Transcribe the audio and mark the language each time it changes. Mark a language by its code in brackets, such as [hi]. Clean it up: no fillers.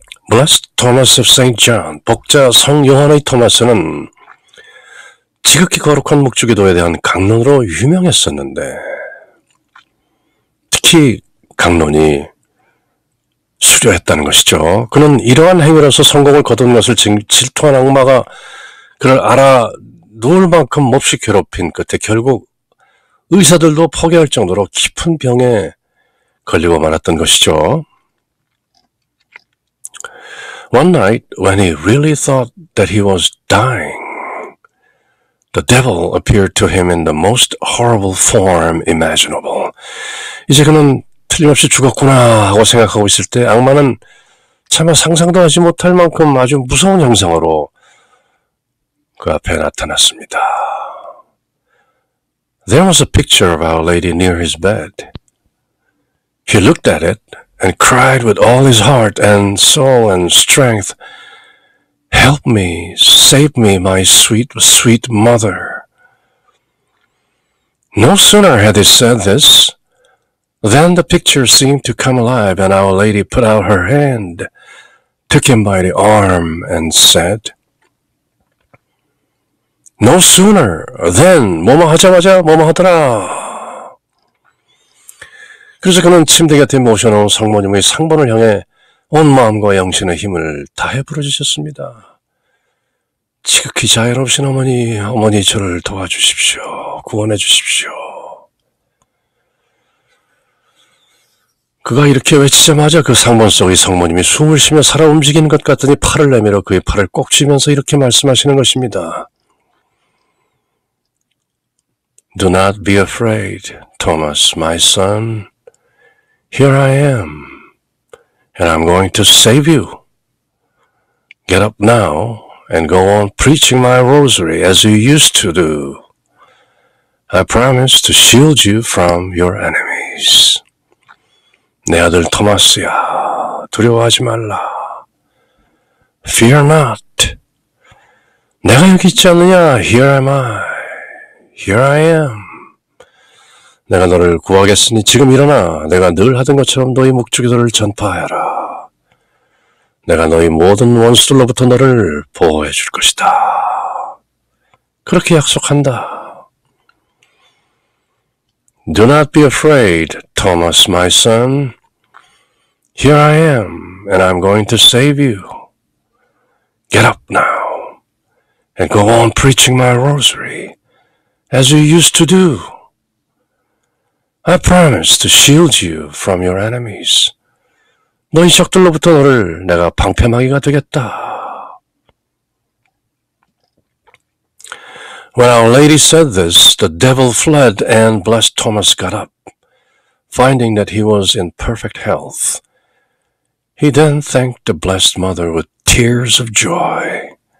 [ko] 블레스 토마스 오브 세인트 존, 복자 성 요한의 토마스는 지극히 거룩한 묵주기도에 대한 강론으로 유명했었는데 특히 강론이 수려했다는 것이죠. 그는 이러한 행위로서 성공을 거둔 것을 질투한 악마가 그를 알아누울 만큼 몹시 괴롭힌 끝에 결국 의사들도 포기할 정도로 깊은 병에 걸리고 말았던 것이죠. [en] One night, when he really thought that he was dying, the devil appeared to him in the most horrible form imaginable. 이제 그는 틀림없이 죽었구나 하고 생각하고 있을 때 악마는 차마 상상도 하지 못할 만큼 아주 무서운 형상으로 그 앞에 나타났습니다. There was a picture of Our Lady near his bed. He looked at it. And cried with all his heart and soul and strength, Help me, save me, my sweet, sweet mother. No sooner had he said this, than the picture seemed to come alive, and Our Lady put out her hand, took him by the arm, and said, No sooner than, [ko] 뭐뭐 하자마자 뭐뭐 하더라. 그래서 그는 침대 곁에 모셔놓은 성모님의 상번을 향해 온 마음과 영신의 힘을 다해 부르짖었습니다. 지극히 자애로우신 어머니, 어머니 저를 도와주십시오. 구원해 주십시오. 그가 이렇게 외치자마자 그 상번 속의 성모님이 숨을 쉬며 살아 움직이는 것 같더니 팔을 내밀어 그의 팔을 꼭 쥐면서 이렇게 말씀하시는 것입니다. [en] Do not be afraid, Thomas, my son. Here I am, and I'm going to save you. Get up now and go on preaching my rosary as you used to do. I promise to shield you from your enemies. [ko] 내 아들 토마스야, 두려워하지 말라. [en] Fear not. [ko] 내가 여기 있지 않느냐? [en] Here am I. Here I am. [ko] 내가 너를 구하겠으니 지금 일어나. 내가 늘 하던 것처럼 너희 목적지를 전파하라. 내가 너희 모든 원수들로부터 너를 보호해 줄 것이다. 그렇게 약속한다. [en] Do not be afraid, Thomas, my son. Here I am, and I'm going to save you. Get up now, and go on preaching my rosary, as you used to do. I promise to shield you from your enemies. [ko] 너희 적들로부터 너를 내가 방패막이가 되겠다. [en] When our lady said this, the devil fled, and blessed Thomas got up, finding that he was in perfect health. He then thanked the blessed mother with tears of joy.